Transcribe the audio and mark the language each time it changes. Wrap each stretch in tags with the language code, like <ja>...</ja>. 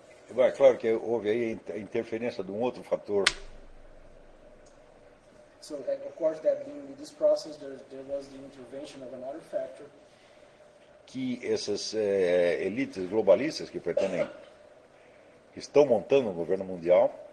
<pt>Bom, é claro que houve aí a interferência de outro fator.</pt> <en>So, of course, that in this process there was the intervention of another factor.</en> <pt>Que essas elites globalistas que pretendem estão montando um governo mundial.</pt>